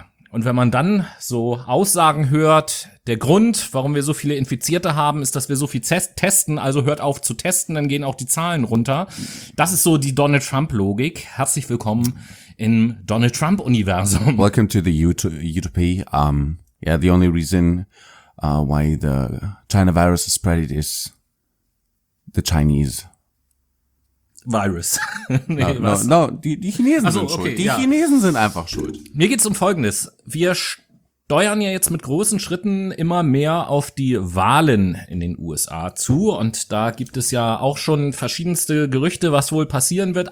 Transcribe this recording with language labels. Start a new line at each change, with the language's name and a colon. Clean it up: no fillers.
German: Und wenn man dann so Aussagen hört, der Grund, warum wir so viele Infizierte haben, ist, dass wir so viel testen, also hört auf zu testen, dann gehen auch die Zahlen runter. Das ist so die Donald-Trump-Logik. Herzlich willkommen im Donald-Trump-Universum.
English: Welcome to the utopia. The only reason why the China virus is spreading is the Chinese Virus.
German: Die Chinesen sind schuld. Die Chinesen sind einfach schuld. Mir geht's um Folgendes. Wir steuern ja jetzt mit großen Schritten immer mehr auf die Wahlen in den USA zu. Und da gibt es ja auch schon verschiedenste Gerüchte, was wohl passieren wird.